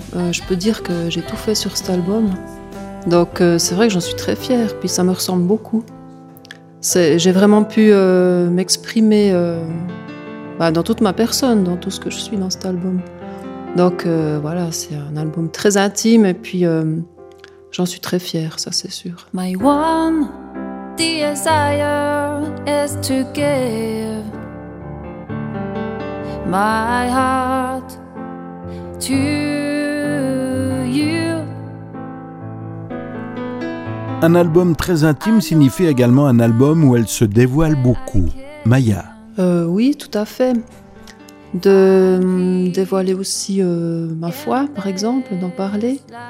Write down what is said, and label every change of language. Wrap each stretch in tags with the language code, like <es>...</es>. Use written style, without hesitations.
<fr>Je peux dire que j'ai tout fait sur cet album. Donc c'est vrai que j'en suis très fière, puis ça me ressemble beaucoup. J'ai vraiment pu m'exprimer dans toute ma personne, dans tout ce que je suis dans cet album. Donc voilà, c'est un album très intime, et puis j'en suis très fière, ça c'est sûr.</fr> <en>My one desire is to give my heart to you.</en> <fr>Un album très intime signifie également un album où elle se dévoile beaucoup. Maya. Oui, tout à fait. De dévoiler aussi ma foi, par exemple, d'en parler.</fr>